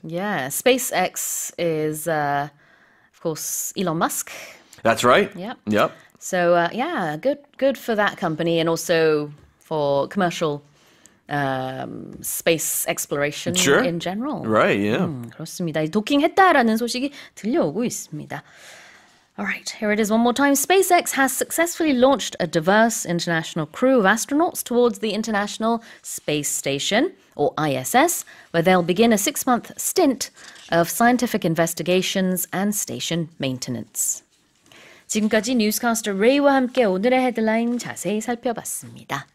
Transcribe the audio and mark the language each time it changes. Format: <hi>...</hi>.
<en>Yeah, SpaceX is, of course, Elon Musk. That's right. Yep. So, good for that company and also for commercial space exploration in general. Right, yeah.</en> <ko>그렇습니다. 도킹했다라는 소식이 들려오고 있습니다.</ko> <en>All right, here it is one more time. SpaceX has successfully launched a diverse international crew of astronauts towards the International Space Station, or ISS, where they'll begin a 6-month stint of scientific investigations and station maintenance.</en> <ko>지금까지 뉴스캐스터 레이와 함께 오늘의 헤드라인 자세히 살펴봤습니다.</ko>